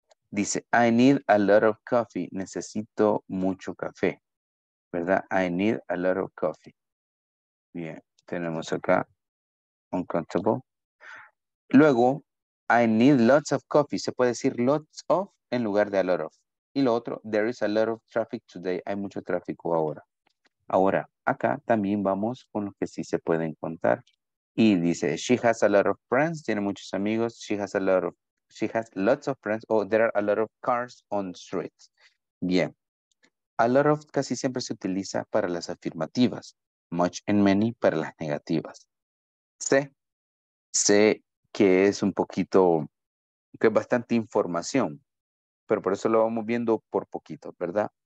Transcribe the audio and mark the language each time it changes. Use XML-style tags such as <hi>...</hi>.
<es>Dice,</es> <en>I need a lot of coffee.</en> <es>Necesito mucho café. ¿Verdad?</es> <en>I need a lot of coffee.</en> <es>Bien, tenemos acá,</es> <en>uncountable.</en> <es>Luego,</es> <en>I need lots of coffee.</en> <es>Se puede decir lots of en lugar de a lot of. Y lo otro,</es> <en>there is a lot of traffic today.</en> <es>Hay mucho tráfico ahora. Ahora, acá también vamos con lo que sí se pueden contar. Y dice,</es> <en>she has a lot of friends.</en> <es>Tiene muchos amigos.</es> <en>She has a lot of, she has lots of friends. Oh, there are a lot of cars on streets.</en> <es>Bien. A lot of casi siempre se utiliza para las afirmativas. Much and many para las negativas. Sé que es un poquito, que es bastante información, pero por eso lo vamos viendo por poquito, ¿verdad?</es>